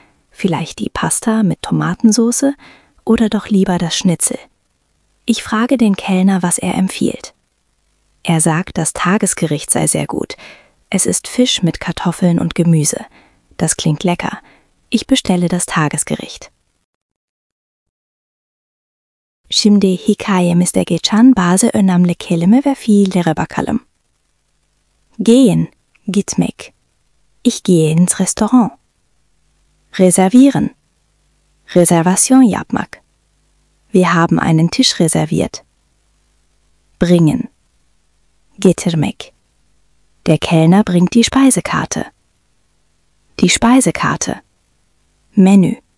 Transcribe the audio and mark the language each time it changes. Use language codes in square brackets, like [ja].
[de] Vielleicht die Pasta mit Tomatensauce oder doch lieber das Schnitzel. Ich frage den Kellner, was er empfiehlt. Er sagt, das Tagesgericht sei sehr gut. Es ist Fisch mit Kartoffeln und Gemüse. Das klingt lecker. Ich bestelle das Tagesgericht. [tr] Şimdi hikayemizde geçen bazı önemli kelime ve fiillere bakalım. [de] Gehen, gitmek. Ich gehe ins Restaurant. Reservieren. [tr] Reservation yapmak. [de] Wir haben einen Tisch reserviert. Bringen. Getirmek. Der Kellner bringt die Speisekarte. Die Speisekarte. Menü.